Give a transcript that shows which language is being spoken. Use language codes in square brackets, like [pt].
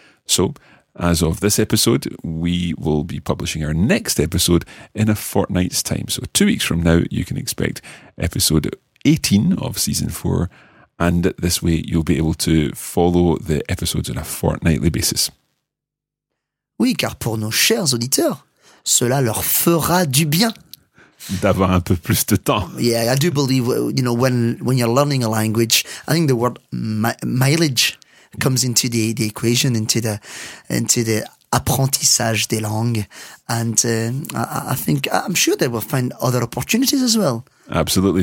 [en] So as of this episode, we will be publishing our next episode in a fortnight's time. So 2 weeks from now, you can expect episode 18 of season 4 And this way you'll be able to follow the episodes on a fortnightly basis. [fr] Oui, car pour nos chers auditeurs, cela leur fera du bien. D'avoir un peu plus de temps. [en] Yeah, I do believe, you know, when you're learning a language, I think the word mileage comes into the equation, into the [fr] apprentissage des langues. [en] And I'm sure they will find other opportunities as well. Absolutely.